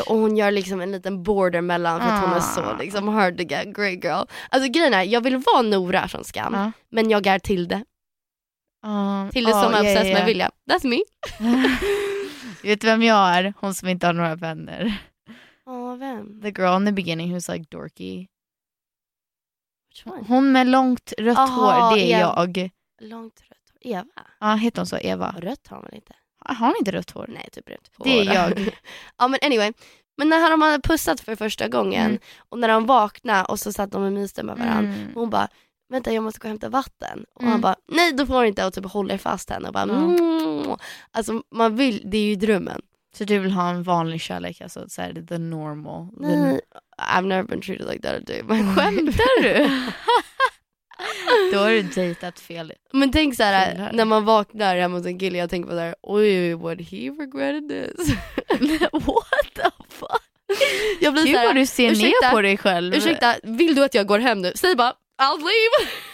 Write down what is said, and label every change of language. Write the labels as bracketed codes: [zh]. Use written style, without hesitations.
[sv] Och hon gör liksom en liten border mellan för att hon är så liksom hard to get. [en] Great girl. [sv] Alltså grejen är, jag vill vara Nora från Skam. Men jag är Tilde. Tilde som är obsessed med William. [en] That's me. [sv] Vet du vem jag är? Hon som inte har några vänner. Vem? [en] The girl in the beginning who's like dorky. Which one? [sv] Hon med långt rött hår. Det är jag. Långt rött. Eva. Ja, heter hon så, Eva. Rött har hon inte. Har hon inte rött hår? Nej, typ brunt. Det är jag. Ja, men anyway. Men när de hade pussat för första gången. Och när de vaknade och så satt de och myste med varandra. Och hon bara, vänta, jag måste gå och hämta vatten. Och han bara, nej, då får du inte. Och typ håller fast henne. Och bara, alltså, man vill, det är ju drömmen. Så du vill ha en vanlig kärlek, alltså, så här, the normal. [en] Nej, I've never been treated like that a day. [sv] Men skämtar du? Då har du dejtat fel. Men tänk så här, när man vaknar hemma hos en kille, jag tänker på såhär, oj, [en] would he regret this? What the fuck? [sv] Jag blir såhär, vad du ser ner på dig själv. Ursäkta, vill du att jag går hem nu? Säg bara, [en] I'll leave.